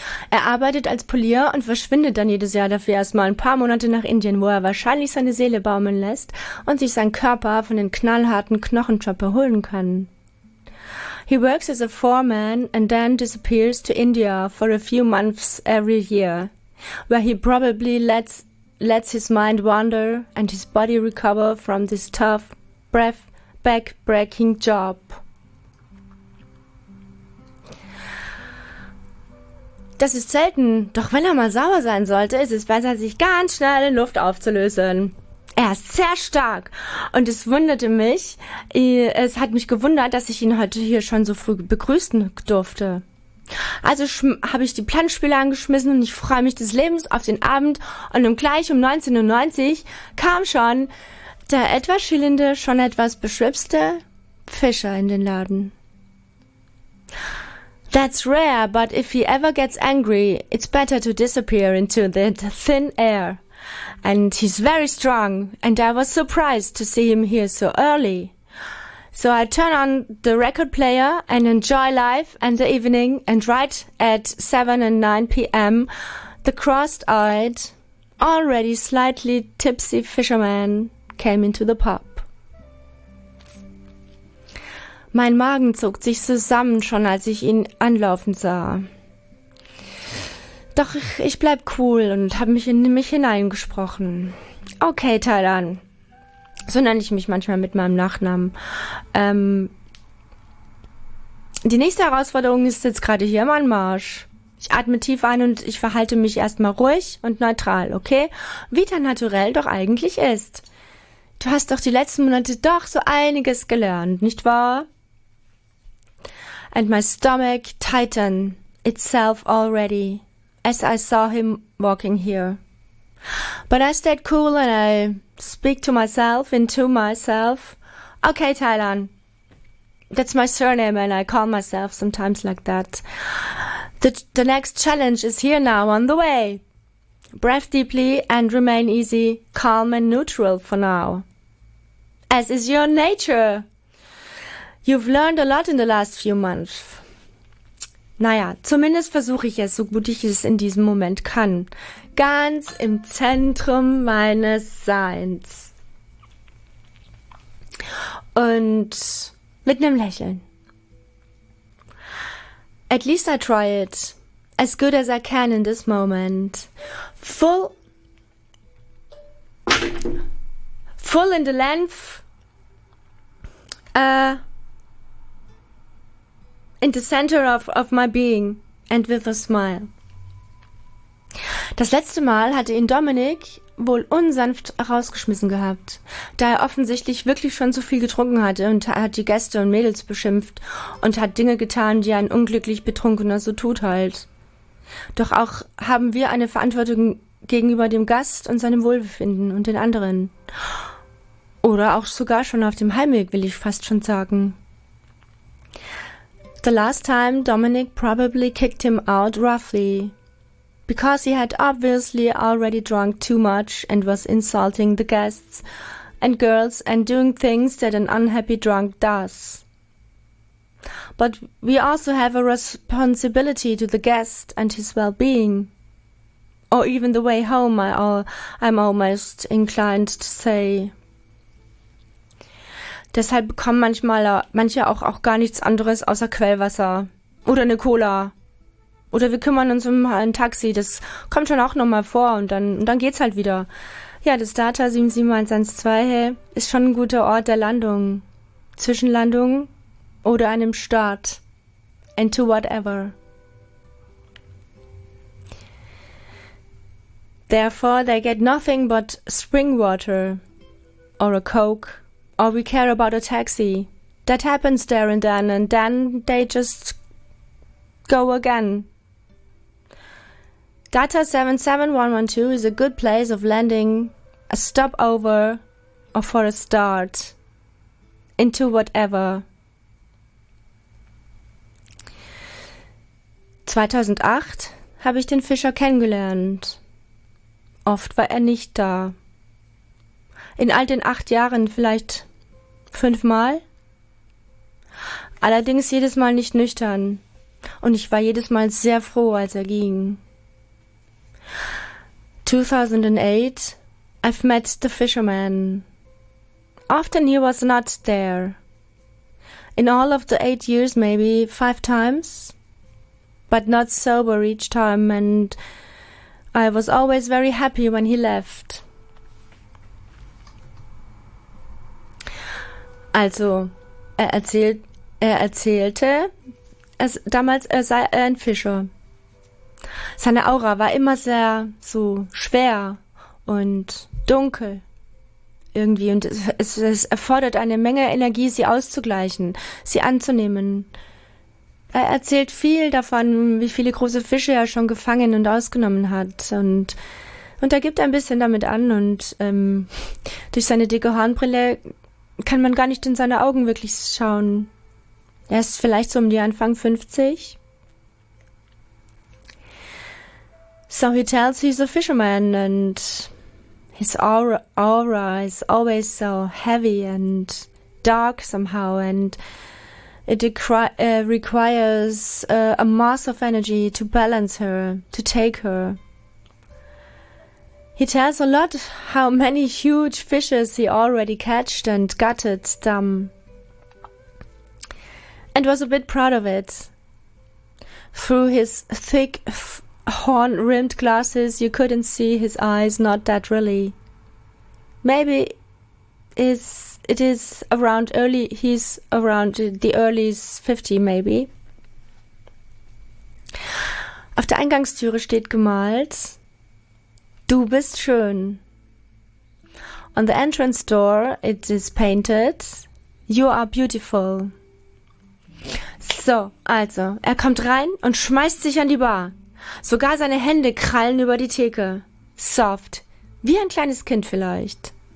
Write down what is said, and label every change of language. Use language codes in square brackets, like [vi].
[de] Er arbeitet als Polier und verschwindet dann jedes Jahr dafür erstmal ein paar Monate nach Indien, wo er wahrscheinlich seine Seele baumeln lässt und sich sein Körper von den knallharten Knochenjobs erholen kann. [en] He works as a foreman and then disappears to India for a few months every year, where he probably lets his mind wander and his body recover from this tough, back-breaking job. [de] Das ist selten, doch wenn er mal sauer sein sollte, ist es besser, sich ganz schnell in Luft aufzulösen. Er ist sehr stark und es hat mich gewundert, dass ich ihn heute hier schon so früh begrüßen durfte. Also habe ich die Planspiele angeschmissen und ich freue mich des Lebens auf den Abend und gleich um 19.90 Uhr kam schon der etwas schillende, schon etwas beschwipste Fischer in den Laden. [en] That's rare, but if he ever gets angry, it's better to disappear into the thin air. And he's very strong, and I was surprised to see him here so early. So I turn on the record player and enjoy life and the evening, and right at 7 and 9 p.m., the crossed-eyed, already slightly tipsy fisherman came into the pub. [de] Mein Magen zog sich zusammen, schon als ich ihn anlaufen sah. Doch ich bleib cool und habe mich in mich hineingesprochen. Okay, Thailand. So nenne ich mich manchmal mit meinem Nachnamen. Die nächste Herausforderung ist jetzt gerade hier im Anmarsch. Ich atme tief ein und ich verhalte mich erstmal ruhig und neutral, okay? Wie dein Naturell doch eigentlich ist. Du hast doch die letzten Monate doch so einiges gelernt, nicht wahr? [en] And my stomach tightened itself already as I saw him walking here. But I stayed cool and I speak to myself into myself. Okay, Thailand. That's my surname and I call myself sometimes like that. The next challenge is here now on the way. Breathe deeply and remain easy, calm and neutral for now. As is your nature. You've learned a lot in the last few months. [de] Naja, zumindest versuche ich es, so gut ich es in diesem Moment kann. Ganz im Zentrum meines Seins. Und mit einem Lächeln. [en] At least I try it. As good as I can in this moment. Full in the length. In the center of my being and with a smile. [de] Das letzte Mal hatte ihn Dominik wohl unsanft rausgeschmissen gehabt, da er offensichtlich wirklich schon zu viel getrunken hatte und hat die Gäste und Mädels beschimpft und hat Dinge getan, die ein unglücklich Betrunkener so tut halt. Doch auch haben wir eine Verantwortung gegenüber dem Gast und seinem Wohlbefinden und den anderen. Oder auch sogar schon auf dem Heimweg, will ich fast schon sagen. [en] The last time Dominic probably kicked him out roughly. Because he had obviously already drunk too much and was insulting the guests and girls and doing things that an unhappy drunk does. But we also have a responsibility to the guest and his well-being. Or even the way home, I'm almost inclined to say. [de] Deshalb bekommen manche auch gar nichts anderes außer Quellwasser oder eine Cola. Oder wir kümmern uns um ein Taxi, das kommt schon auch nochmal vor und dann geht's halt wieder. Ja, das Data 77112 ist schon ein guter Ort der Landung. Zwischenlandung oder einem Start. [en] Into whatever. Therefore they get nothing but spring water. Or a Coke. Or we care about a taxi. That happens there and then they just go again. Data 77112 is a good place of landing, a stopover, or for a start, into whatever. [de] 2008 habe ich den Fischer kennengelernt. Oft war er nicht da. In all den 8 Jahren vielleicht 5 Mal. Allerdings jedes Mal nicht nüchtern. Und ich war jedes Mal sehr froh, als er ging. [en] 2008, I've met the fisherman. Often he was not there. In all of the 8 years, maybe 5 times. But not sober each time, and I was always very happy when he left. [de] Also, er erzählte, es damals, er sei ein Fischer. Seine Aura war immer sehr so schwer und dunkel irgendwie und es erfordert eine Menge Energie, sie auszugleichen, sie anzunehmen. Er erzählt viel davon, wie viele große Fische er schon gefangen und ausgenommen hat und er gibt ein bisschen damit an und durch seine dicke Hornbrille kann man gar nicht in seine Augen wirklich schauen. Er ist vielleicht so um die Anfang 50. [en] So he tells he's a fisherman and his aura is always so heavy and dark somehow and it requires a mass of energy to balance her, to take her. He tells a lot how many huge fishes he already catched and gutted them and was a bit proud of it. Through his thick horn-rimmed glasses, you couldn't see his eyes, not that really. Maybe he's around the early 50, maybe. [de] Auf der Eingangstüre steht gemalt, du bist schön. [en] On the entrance door, it is painted, you are beautiful. [de] So, also, er kommt rein und schmeißt sich an die Bar. Sogar seine Hände krallen über die Theke. Soft. Wie ein kleines Kind vielleicht.